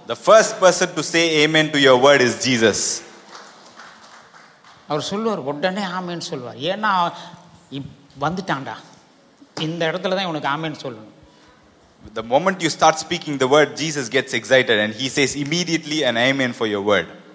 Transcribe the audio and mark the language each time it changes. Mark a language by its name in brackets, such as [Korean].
[English] The first person to say amen to your word is Jesus. [Tamil] அவர் சொல்வார், உடனே ஆமென் சொல்வார். ஏன்னா வந்துட்டான்டா, இந்த இடத்துல தான் இவனுக்கு ஆமென் சொல்லணும். [English] The moment you start speaking the word, Jesus gets excited and he says immediately an amen for your word.